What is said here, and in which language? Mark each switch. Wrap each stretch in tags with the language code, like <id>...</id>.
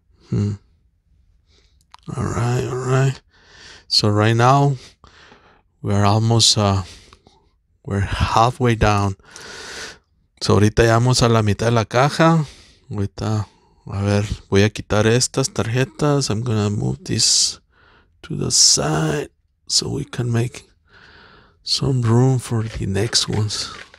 <en>All right, so right now we're almost we're halfway down.</en> <es>So ahorita ya vamos a la mitad de la caja. Ahorita, a ver, voy a quitar estas tarjetas.</es> <en>I'm gonna move this to the side so we can make some room for the next ones.</en>